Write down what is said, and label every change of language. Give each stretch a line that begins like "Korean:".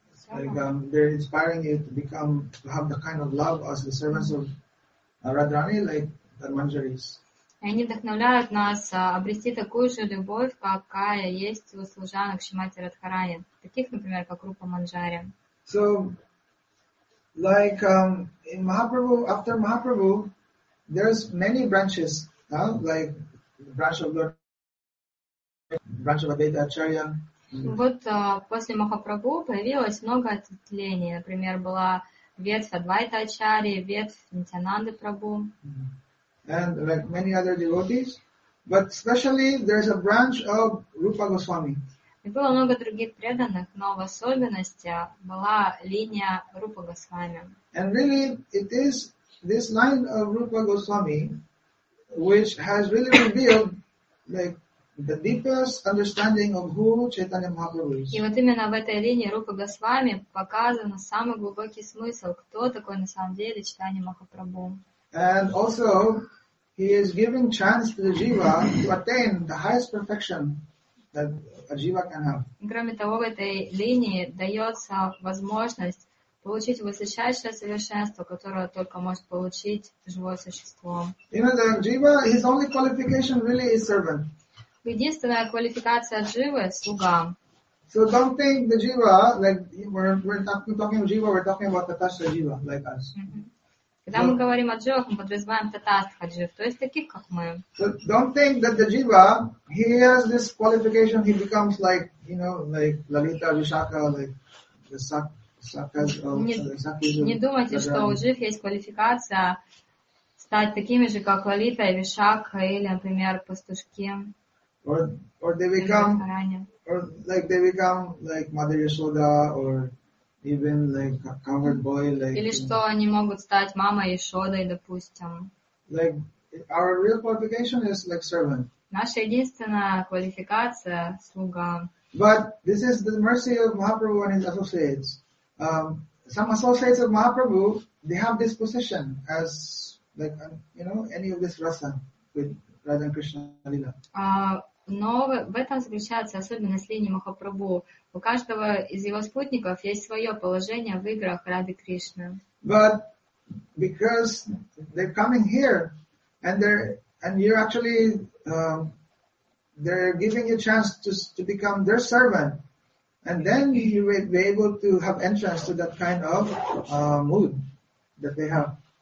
English: Like, they're inspiring you to become, to have the kind of love as the servants of Radharani, like the Manjaris.
Russian: Они вдохновляют нас обрести такую же любовь, какая есть у служанок Шримати Радхарани, таких, например, как Рупа Манджари.
English: So, like in Mahaprabhu, after Mahaprabhu, there's many branches, like the branch of Lord, branch of Advaita Acharya.
Russian: Вот после Махапрабху появилось много ответвлений. Например, была ветвь Адвайта Ачарьи, ветвь Нитянанды Прабху.
English: And like many other devotees. But especially there's a branch of Rupa Goswami.
Russian: И было много других преданных, но в особенности была линия Рупа Госвами.
English: And really it is this line of Rupa Goswami which has really revealed like the deepest understanding of who Chaitanya Mahaprabhu is.
Russian: И вот именно в этой линии Рупа Госвами показан самый глубокий смысл, кто такой на самом деле Чайтанья Махапрабху.
English: And also he is giving chance to the jiva to attain the highest perfection that a jiva can have.
Russian: Кроме того, в этой линии дается возможность получить высочайшее совершенство, которое только может получить живое существо.
English: You know, the jiva, his only qualification really is servant.
Russian: Единственная квалификация дживы – слуга.
English: So don't think the jiva, like we're talking about jiva, we're talking about tatastha jiva, like us. Mm-hmm.
Russian: Когда мы говорим о дживах, мы подразумеваем татастха джив, то есть таких, как мы.
English: So don't think that the jiva, he has this qualification, he becomes like, you know, like Lalita, Vishaka, like the Sakas of...
Russian: Не думайте, что у джив есть квалификация стать такими же, как Лалита, Вишакха или, например, пастушки.
English: Or they become like Mother Yashoda or Even like a covered boy, like,
Russian: или что они могут стать мамой Ишодой, допустим.
English: Like, our real qualification is like servant.
Russian: Наша единственная квалификация – слуга.
English: But this is the mercy of Mahaprabhu and his associates. Some associates of Mahaprabhu, they have this position as, like, you know, any of this rasa with Radha and Krishna Lila.
Russian: Но в этом заключается особенность линии Махапрабху. У каждого из его спутников есть свое положение в играх Рады Кришны.
English: But because they're coming here and they're and you're actually they're giving you a chance to become their servant, and then you will be able to have entrance to that kind of mood that they have.